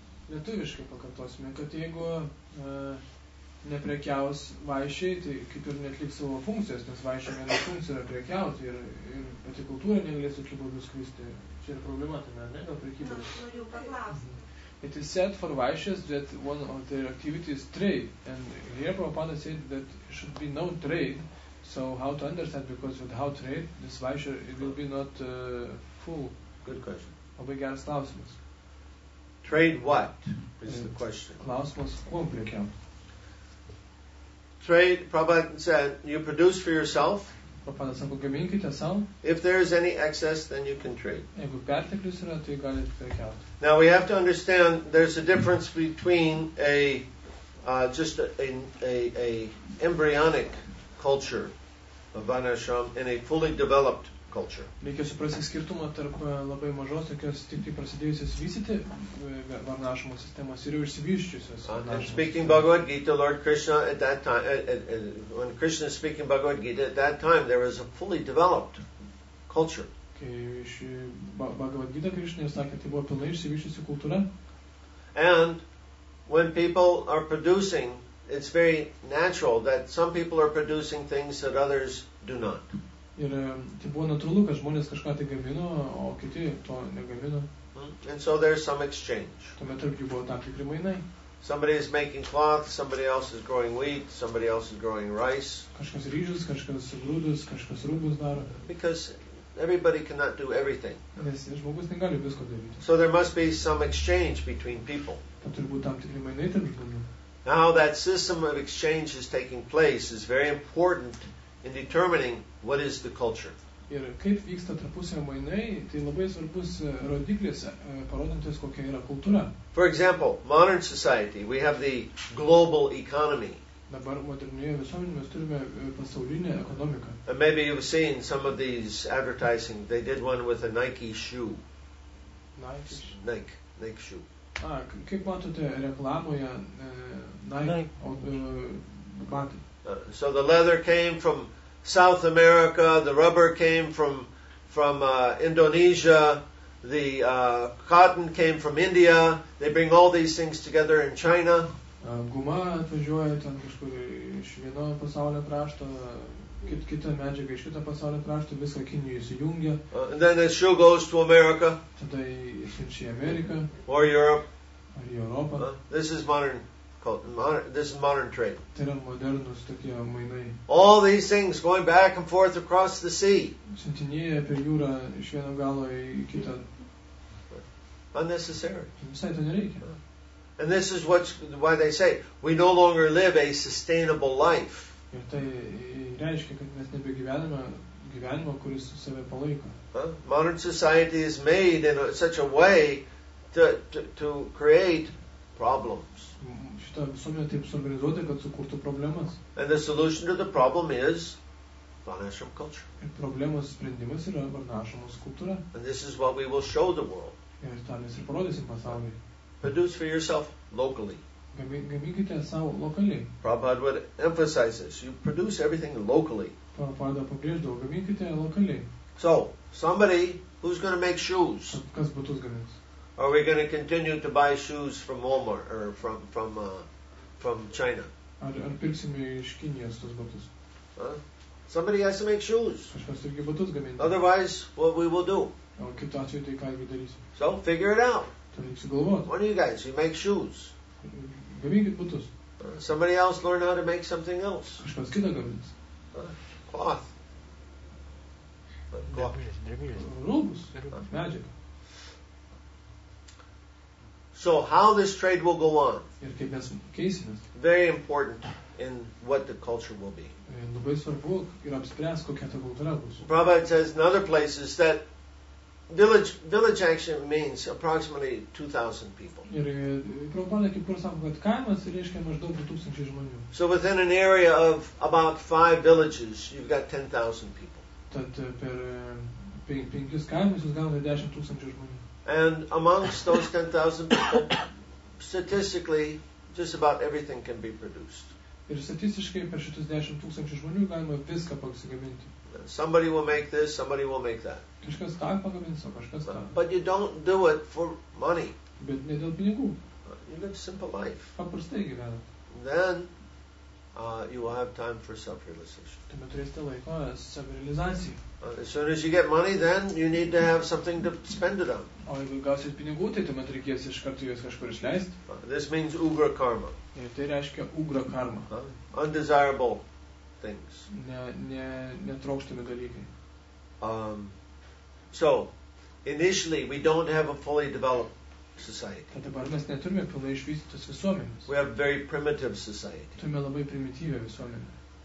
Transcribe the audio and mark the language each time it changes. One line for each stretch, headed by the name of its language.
Lithuanian: Lietuviškai pakartosime, kad jeigu neprekiaus vaišiai, tai kaip ir netliks savo funkcijos, nes vaišiai viena funkcija yra prekiauti ir pati kultūra negalės tokiu būdu skristi. Čia yra problema tame, ne, dėl prekybos. Noriu paklausti.
English: It is said for vaišias that one of their activities trade, and here Prabhupada said that should be no trade, so how to understand, because without trade, this vaisha, it will be not full. Good question.
Lithuanian: Labai geras klausimas.
English: Trade what, is the question.
Lithuanian: Klausimas, kuo prekiauti.
English: Trade, Prabhupada said, you produce for yourself.
Lithuanian: Prabhupada sako, gaminkite sau.
English: If there is any excess, then you can trade.
Lithuanian: Jeigu perteklius yra, tai galite prekiauti.
English: Now we have to understand there's a difference between a embryonic culture of Vanashram and a fully developed culture.
Lithuanian: Reikia suprasti skirtumą tarp labai mažos, tokios tik prasidėjusios vystyti Varnašamo sistemos ir jau išsivysčiusios.
English: Speaking Bhagavad Gita, Lord Krishna, at that time, when Krishna is speaking Bhagavad Gita, at that time, there was a fully developed culture.
Lithuanian: Kai iš Bhagavad Gita Krishna sakė, tai buvo pilnai išsivysčiusi kultūra.
English: And when people are producing, it's very natural that some people are producing things that others do not.
Lithuanian: Ir tai buvo natūralu, kad žmonės kažką tai gamino, o kiti to negamino.
English: And so there's some exchange.
Lithuanian: Tuomet tarp jų buvo tam tikri mainai.
English: Somebody is making cloth, somebody else is growing wheat, somebody else is growing rice.
Lithuanian: Kažkas ryžius, kažkas grūdus, kažkas rūbus daro.
English: Because everybody cannot do everything.
Lithuanian: Nes žmogus negali visko daryti.
English: So there must be some exchange between people.
Lithuanian: Tad turi būti tam tikri mainai tarp žmonių.
English: Now that system of exchange is taking place is very important in determining what is the culture.
Lithuanian: Ir kaip vyksta tarpusavio mainai, tai labai svarbus rodiklis parodantis, kokia yra kultūra.
English: For example, modern society, we have the global economy.
Lithuanian: Dabar modernioje visuomenėje mes turime pasaulinę ekonomiką.
English: And maybe you've seen some of these advertising. They did one with a Nike shoe. Na, Nike, Nike shoe.
Lithuanian: A, kaip matote reklamoje Nike batai?
English: So the leather came from South America, the rubber came from Indonesia, the cotton came from India. They bring all these things together in China.
Lithuanian: Guma atvažiuoja ten kažkur iš vieno pasaulio krašto, kita medžiaga iš kito pasaulio krašto, viską Kinijoje įsijungia.
English: Then the shoe goes to America.
Lithuanian: Tada išsiunčia į Ameriką.
English: Or Europe.
Lithuanian: Ar į Europą.
English: This is modern. This is modern trade.
Lithuanian: Tai yra modernus tokie mainai.
English: All these things going back and forth across the sea.
Lithuanian: Siuntinėja per jūrą iš vieno galo į kitą.
English: Unnecessary.
Lithuanian: Visai to nereikia.
English: And this is why they say we no longer live a sustainable life.
Lithuanian: Ir tai reiškia, kad mes nebegyvename gyvenimo, kuris save palaiko.
English: Modern society is made in such a way to create problems.
Lithuanian: Šitą visuomenę taip suorganizuoti, kad sukurtų problemas.
English: And the solution to the problem is Varnashram culture.
Lithuanian: Ir problemos sprendimas yra Varnashramos kultūra.
English: And this is what we will show the world.
Lithuanian: Ir tą mes ir parodysim pasaulyje.
English: Produce for yourself locally.
Lithuanian: Gaminkite savo lokaliai.
English: Prabhupada would emphasize this. You produce everything locally.
Lithuanian: Prabhupada pabrėždavo, gaminkite lokaliai.
English: So, somebody, who's going to make shoes?
Lithuanian: Kas būtų gamins?
English: Are we going to continue to buy shoes from Walmart or from China?
Lithuanian: Ar pirksime iš Kinijos tos batus?
English: Somebody has to make shoes.
Lithuanian: Kažkas turi batus gaminti.
English: Otherwise, what we will do?
Lithuanian: O kitu atveju tai ką jį darysim?
English: So, figure it out.
Lithuanian: Tai reiks sugalvoti.
English: What do you guys? You make shoes.
Lithuanian: Gaminkit batus.
English: Somebody else learn how to make something else.
Lithuanian: Kažkas kita gamins.
English: Cloth.
Lithuanian: Rūbus. Magic.
English: So how this trade will go on?
Lithuanian: Ir kaip mes keisimės.
English: Very important in what the culture will be.
Lithuanian: Labai svarbu ir apspręs, kokia ta kultūra bus.
English: Prabhupada says in other places that village action means approximately 2,000 people.
Lithuanian: Ir Prabhupada kaip kur sako, kad kaimas reiškia maždaug 2,000 žmonių.
English: So within an area of about 5 villages, you've got 10,000 people.
Lithuanian: Tad per 5 kaimus jūs gaunate 10,000 žmonių.
English: And amongst those 10,000 people, statistically, just about everything can be produced.
Lithuanian: Ir statistiškai per šitus 10,000 žmonių galima viską pasigaminti.
English: Somebody will make this, somebody will make that.
Lithuanian: Kažkas tą pagamins, kažkas tą.
English: But you don't do it for money.
Lithuanian: Bet ne dėl pinigų.
English: You live a simple life.
Lithuanian: Paprastai gyvena.
English: Then, you will have time for self-realization.
Lithuanian: Tuomet turėsite laiko savirealizacijai.
English: As soon as you get money, then you need to have something to spend it on.
Lithuanian: O jeigu gausit pinigų, tai tuomet reikės iš karto juos kažkur išleisti.
English: This means ugra karma.
Lithuanian: Tai reiškia ugra karma.
English: Undesirable things.
Lithuanian: Netrokštami dalykai.
English: So, initially we don't have a fully developed society.
Lithuanian: Tad dabar mes neturime pilnai išvystytos visuomenės.
English: We have a very primitive society.
Lithuanian: Turime labai primityvę visuomenę.